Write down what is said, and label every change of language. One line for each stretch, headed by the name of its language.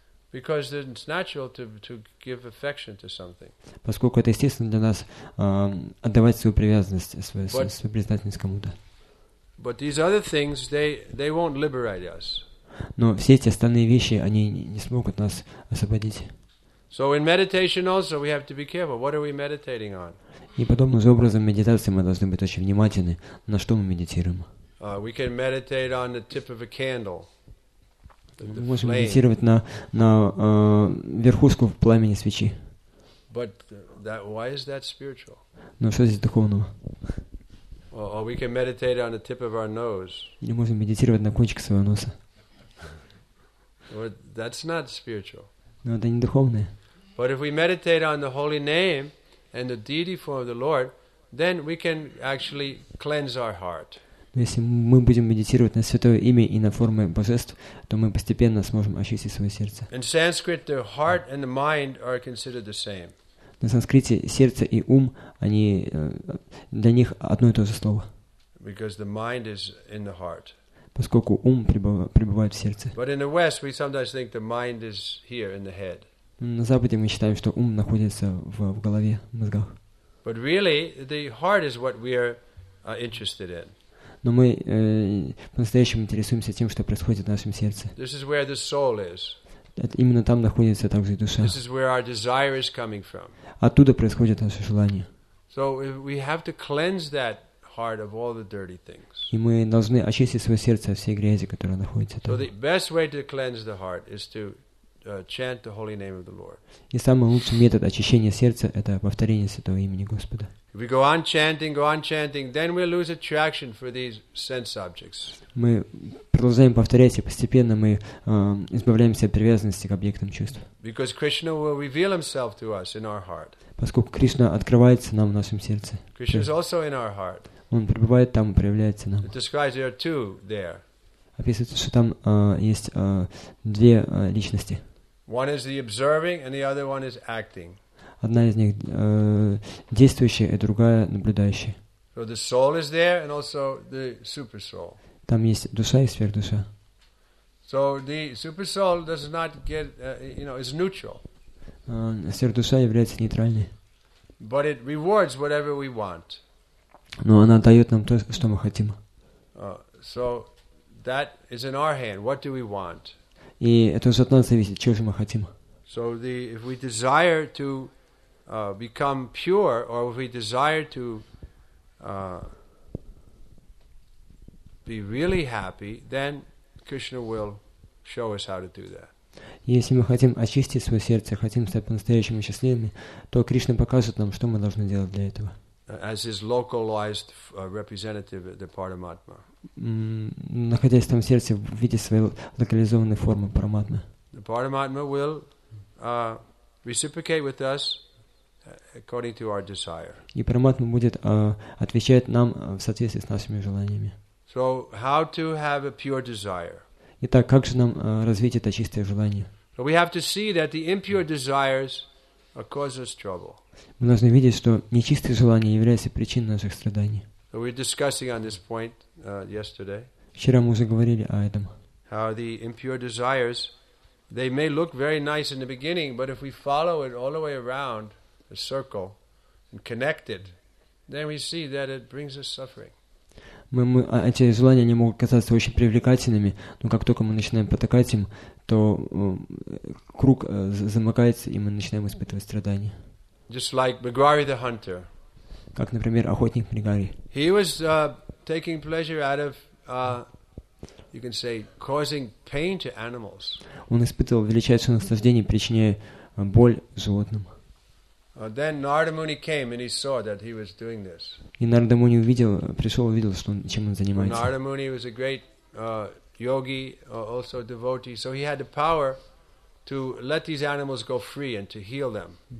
English: Because it's natural to give affection to something.
Russian: Поскольку это естественно для нас отдавать свою привязанность, свою признательность кому-то.
English: But these other things they won't liberate us.
Russian: Но все эти остальные вещи они не смогут нас освободить.
English: So in meditation also we have to be careful. What are we meditating on?
Russian: И подобным же образом в медитации мы должны быть очень внимательны, на что мы медитируем.
English: We can meditate on the tip of a candle.
Russian: Мы можем медитировать на верхушку в пламени свечи.
English: But that, why is that spiritual?
Russian: Но что здесь духовного?
English: Or we can meditate on the tip of our nose.
Russian: Или можем медитировать на кончике своего носа.
English: Well, that's not spiritual.
Russian: Но это не духовное.
English: But if we meditate on the holy name and the deity form of the Lord, then we can actually cleanse our heart.
Russian: Если мы будем медитировать на Святое Имя и на формы Божеств, то мы постепенно сможем очистить свое сердце.
English: In Sanskrit, the heart and the mind are considered the same.
Russian: На санскрите сердце и ум, они для них одно и то же слово.
English: Because the mind is in the heart.
Russian: Поскольку ум пребывает в сердце.
English: But in the West, we sometimes think the mind is here in the head.
Russian: На Западе мы считаем, что ум находится в голове, в мозгах.
English: But really, the heart is what we are interested in.
Russian: Но мы по-настоящему интересуемся тем, что происходит в нашем сердце.
English: This is where the soul is.
Russian: Именно там находится также душа.
English: This is where our desire is coming from.
Russian: Оттуда происходит наше желание.
English: So we have to cleanse that heart of all the dirty things.
Russian: И мы должны очистить свое сердце от всей грязи, которая находится там.
English: So the best way to cleanse the heart is to chant the holy name of the Lord.
Russian: И самый лучший метод очищения сердца – это повторение Святого имени Господа.
English: If we go on chanting, then we'll lose attraction for these sense objects.
Russian: Мы продолжаем повторять, и постепенно мы избавляемся от привязанности к объектам чувств.
English: Because Krishna will reveal Himself to us in our heart.
Russian: Поскольку Кришна открывается нам в нашем сердце.
English: Krishna is also in our heart.
Russian: Он пребывает там и проявляется нам.
English: It describes there are two there.
Russian: Описывается, что там есть две личности.
English: One is the observing, and the other one is acting.
Russian: Одна из них действующая, и другая наблюдающая.
English: So the soul is there, and also the super soul.
Russian: Там есть душа и сверхдуша.
English: So the super soul does not get, you know, is neutral.
Russian: Сверхдуша является нейтральной.
English: But it rewards whatever we want.
Russian: Но она дает нам то, что мы хотим.
English: So that is in our hand. What do we want?
Russian: И это уже от нас зависит, чего же мы хотим.
English: So the if we desire to become pure, or if we desire to be really happy, then Krishna will show us how to do that.
Russian: Если мы хотим очистить свое сердце, хотим стать по-настоящему счастливыми, то Кришна покажет нам, что мы должны делать для этого.
English: As his localized representative, the Paramatma.
Russian: Находясь там в сердце в виде своей локализованной формы Параматмы.
English: The Paramatma will reciprocate with us according to our desire.
Russian: И Параматма будет отвечать нам в соответствии с нашими желаниями.
English: So how to have a pure desire?
Russian: Итак, как же нам развить это чистое желание?
English: So we have to see that the impure desires cause us trouble.
Russian: Мы должны видеть, что нечистые желания являются причиной наших страданий.
English: So we were discussing on this point yesterday.
Russian: Вчера мы уже говорили о этом.
English: How the impure desires, they may look very nice in the beginning, but if we follow it all the way around a circle and connect it, then we see that it brings us suffering.
Russian: Эти желания, они могут казаться очень привлекательными, но как только мы начинаем потакать им, то круг замыкается, и мы начинаем испытывать страдания.
English: Just like Megrahi the hunter.
Russian: Как, например, охотник Мегари.
English: He was taking pleasure out of, you can say, causing pain to animals.
Russian: Он испытывал величайшее наслаждение, причиняя боль животным.
English: Then Narada Muni came and he saw that he was doing this.
Russian: И Нарада Муни увидел, что он, чем он занимается.
English: Narada Muni was a great yogi, also a devotee, so he had the power to let these animals go free and to heal them.